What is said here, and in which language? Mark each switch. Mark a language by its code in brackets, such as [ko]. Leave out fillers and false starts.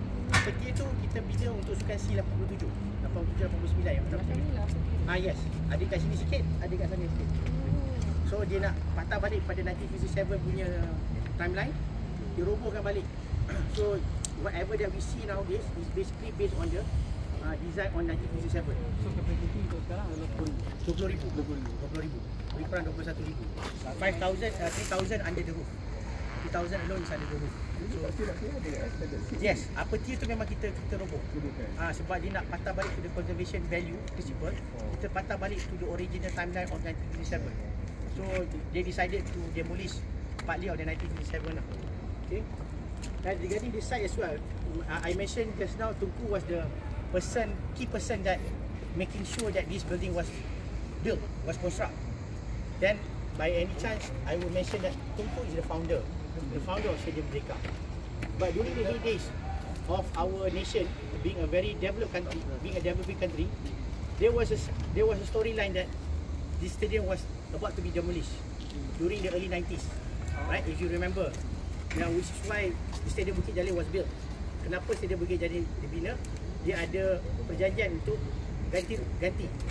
[ms] Upper tier tu, kita bina untuk sukan C87. 87-89 yang pertama sekali. Yes. Ada kat sini sikit, ada kat sana sikit. So, dia nak patah balik pada 1957 punya timeline, dia robohkan balik. [en] So, whatever that we see nowadays is basically based on the design on 1957. [ms] So capacity untuk sekarang adalah [en] 20,000. [ms] Lebih kurang [en] 21,000. 3,000 under the roof. 3,000 alone is under the roof. So, [ms] yes, upper tier tu memang kita roboh. Sebab dia nak patah balik [en] to the conservation value principle. [ms] Kita patah balik [en] to the original timeline of 1957. So, they decided to demolish partly of the 1957 lah. Okay. And regarding this site as well, I mentioned just now Tunku was the person, key person that making sure that this building was built, was construct. Then by any chance, I will mention that Tunku is the founder of Stadium Merdeka. But during the heydays of our nation being a very developed country, there was a storyline that this stadium was about to be demolished during the early 90s, right? If you remember, now which is why Stadium Bukit Jalil was built. [ms] Kenapa Stadium Bukit Jalil dibina? Dia ada perjanjian untuk ganti.